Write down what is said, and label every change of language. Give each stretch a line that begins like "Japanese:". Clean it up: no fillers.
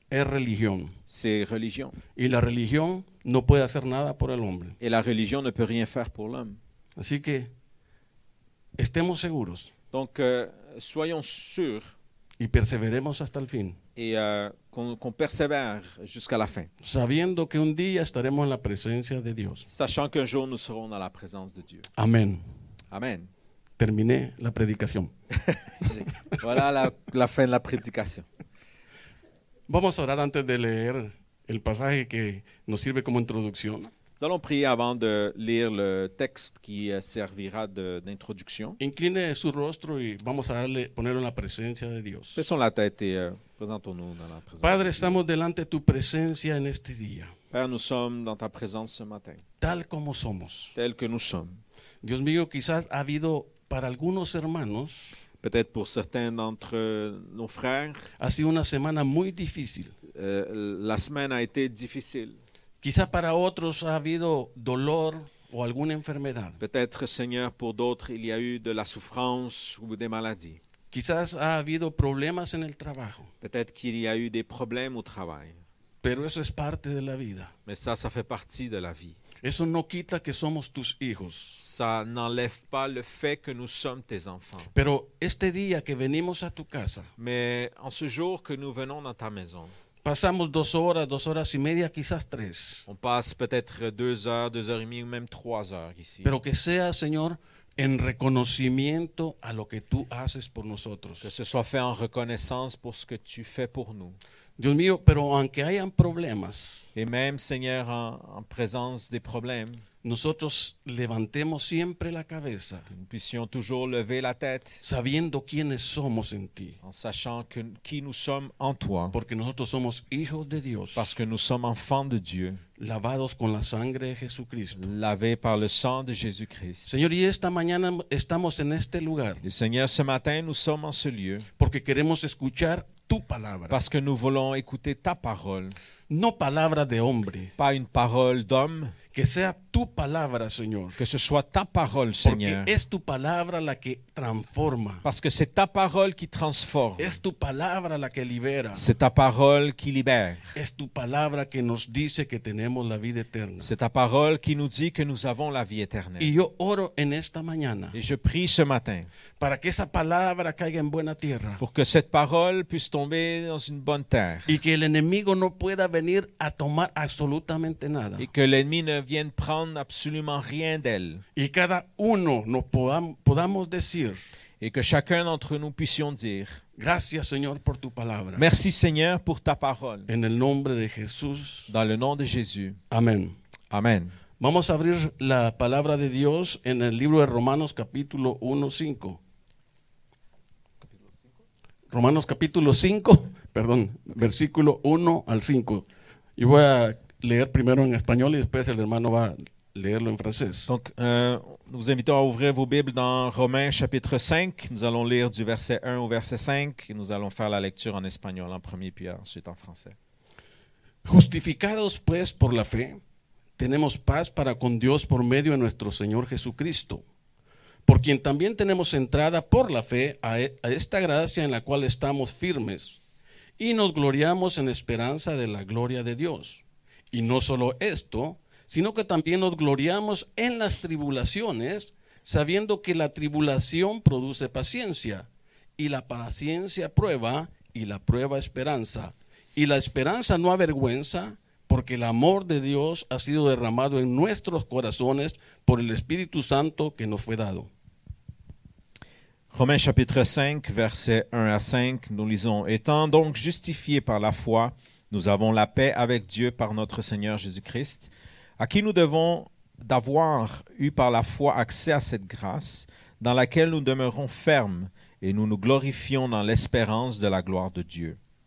Spanish: Es religión.
French: C'est religion.
Spanish: Y la religión no puede hacer nada por el hombre.
French: Et la religion ne peut rien faire pour l'homme.
Spanish: Así que estemos seguros.
French: Donc soyons sûrs.
Spanish: Y perseveremos hasta el fin.
French: Et qu'on persévère jusqu'à la fin.
Spanish: Sabiendo que un día estaremos en la presencia de Dios.
French: Sachant qu'un jour nous serons dans la présence de Dieu.
Spanish: Amén.
French: Amen.
Spanish: Terminé la predicación.
French: Voilà la fin de la prédication.
Spanish: Vamos a orar antes de leer el pasaje que nos sirve como introducción.
French: Nous allons prier avant de lire le texte qui servira d'introduction.
Spanish: Incline su rostro y vamos a ponerlo en la presencia de Dios.
French: Baissons la tête et présentons-nous dans la présence.
Spanish: Padre, estamos delante de tu presencia en este día.
French: Père, nous sommes dans ta présence ce matin.
Spanish: Tal como somos.
French: Tel que nous sommes.
Spanish: Dios mío, quizás ha habido para algunos hermanos.
French: Peut-être pour certains d'entre nos frères.
Spanish: Ha sido una semana muy difícil.
French: La semaine a été difficile.
Spanish: Quizá para otros ha habido dolor o alguna enfermedad.
French: Peut-être, Seigneur, pour d'autres il y a eu de la souffrance ou des maladies.
Spanish: Quizás ha habido problemas en el trabajo.
French: Peut-être qu'il y a eu des problèmes au travail.
Spanish: Pero eso es parte de la vida.
French: Mais ça fait partie de la vie.
Spanish: Eso no quita que somos tus hijos.
French: Ça n'enlève pas le fait que nous sommes tes enfants.
Spanish: Pero este día que venimos a tu casa.
French: Mais en ce jour que nous venons dans ta maison.
Spanish: Pasamos dos horas y media, quizás tres.
French: On passe peut-être deux heures et demie, ou même trois heures ici.
Spanish: Pero que sea, Señor, en reconocimiento a lo que tú haces por nosotros.
French: Que ce soit fait en reconnaissance pour ce que tu fais pour nous.
Spanish: Dios mío, pero aunque hayan problemas.
French: Et même, Seigneur, en présence des problèmes.
Spanish: Nosotros levantemos siempre la cabeza.
French: Que nous puissions toujours lever la tête.
Spanish: Sabiendo quiénes somos en ti.
French: En sachant qui nous sommes en toi.
Spanish: Porque nosotros somos hijos de Dios.
French: Parce que nous sommes enfants de Dieu.
Spanish: Lavados con la sangre de Jesucristo.
French: Lavés par le sang de Jésus-Christ.
Spanish: Señor, y esta mañana estamos en este lugar.
French: Et Seigneur, ce matin, nous sommes en ce lieu.
Spanish: Porque queremos escuchar tu palabra.
French: Parce que nous voulons écouter ta parole.
Spanish: No palabra de hombre.
French: Pas une parole d'homme.
Spanish: Que sea tu palabra, Señor.
French: Que ce soit ta parole, Seigneur.
Spanish: Porque es tu palabra la que transforma.
French: Parce que c'est ta parole qui transforme.
Spanish: Es tu palabra la que libera.
French: C'est ta parole qui libère.
Spanish: Es tu palabra que nos dice que tenemos la vida eterna.
French: C'est ta parole qui nous dit que nous avons la vie éternelle.
Spanish: Y yo oro en esta mañana.
French: Et je prie ce matin.
Spanish: Para que esa palabra caiga en buena tierra.
French: Pour que cette parole puisse tomber dans une bonne terre.
Spanish: Y que el enemigo no pueda venir a tomar absolutamente nada.
French: Et que l'ennemi ne vienne prendre absolument rien d'elle.
Spanish: Y cada uno nos podamos decir.
French: Et que chacun d'entre nous puissions dire.
Spanish: Gracias, Señor, por tu palabra.
French: Merci, Seigneur, pour ta parole.
Spanish: En el nombre de Jesús.
French: Dans le nom de Jésus.
Spanish: Amen.
French: Amen.
Spanish: Vamos a abrir la palabra de Dios en el libro de Romanos capítulo 1, 5. Romanos capítulo 5, perdón, versículo 1 al 5. Y voy a leer primero en español y después el hermano va a leerlo en francés.
French: Donc, nous invitons à ouvrir vos Bibles dans Romains chapitre 5. Nous allons lire du verset 1 au verset 5 et nous allons faire la lecture en espagnol en premier puis ensuite en français.
Spanish: Justificados pues por la fe, tenemos paz para con Dios por medio de nuestro Señor Jesucristo, por quien también tenemos entrada por la fe a esta gracia en la cual estamos firmes y nos gloriamos en esperanza de la gloria de Dios. Y no solo esto, sino que también nos gloriamos en las tribulaciones, sabiendo que la tribulación produce paciencia, y la paciencia prueba, y la prueba esperanza, y la esperanza no avergüenza, porque el amor de Dios ha sido derramado en nuestros corazones por el Espíritu Santo que nos fue dado.
French: Romains chapitre 5, versets 1 à 5, nous lisons « Étant donc justifiés par la foi, nous avons la paix avec Dieu par notre Seigneur Jésus-Christ, à qui nous devons d'avoir eu par la foi accès à cette grâce, dans laquelle nous demeurons fermes et nous nous glorifions dans l'espérance de la gloire de Dieu.